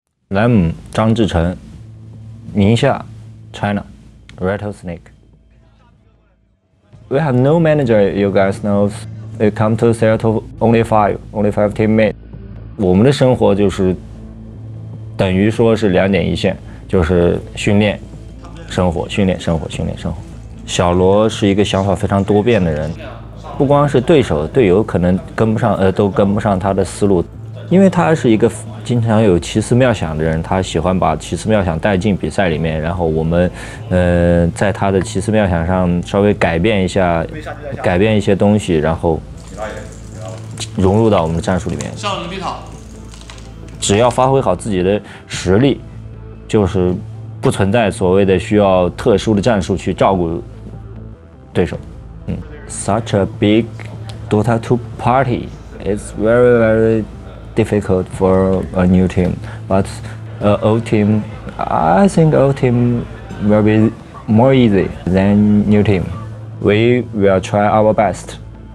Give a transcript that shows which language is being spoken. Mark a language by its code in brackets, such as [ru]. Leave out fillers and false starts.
[en] Lem 张志成，宁夏 ，China， Rattlesnake。 We have no manager, you guys know. They come to Seattle only five teammates. [zh] 我们的生活就是等于说是两点一线，就是训练、生活、训练、生活、训练、生活。小罗是一个想法非常多变的人，不光是对手、队友可能跟不上，都跟不上他的思路，因为他是一个经常有奇思妙想的人，他喜欢把奇思妙想带进比赛里面，然后我们，在他的奇思妙想上稍微改变一下，改变一些东西，然后融入到我们的战术里面。上了 B 塔，只要发挥好自己的实力，就是不存在所谓的需要特殊的战术去照顾对手。 [en] Such a big Dota 2 party, it's very very. Difficult for a new team, but old team, I think old team will be more easy than new team. We will try our best.